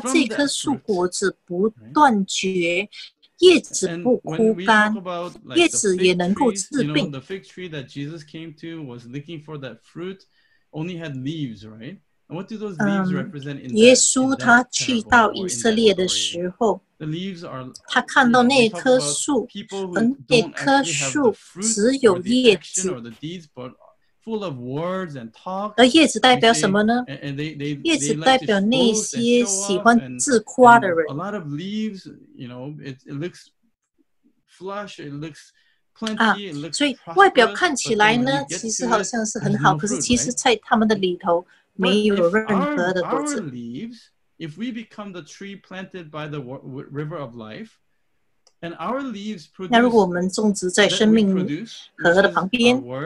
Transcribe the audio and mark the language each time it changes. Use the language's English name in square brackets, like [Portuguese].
[Chinese] 这棵树果子不断绝，叶子不枯干，叶子也能够治病。 [English] You know, the fig tree that Jesus came to was looking for that fruit, only had leaves, right? And what do those leaves represent in that? [Chinese] 耶稣他去到以色列的时候，他看到那棵树，那棵树只有叶子。 [English] Full of words and talk, [Chinese] 而叶子代表什么呢？叶子代表那些喜欢自夸的人。 [English] A lot of leaves, you know, it looks flush, it looks plenty, it looks. [Chinese] 所以外表看起来呢，其实好像是很好，可是其实在他们的里头没有任何的果子。 [English] Our leaves, if we become the tree planted by the river of life. And our leaves produce, [Chinese] 那如果我们种植在生命河的旁边，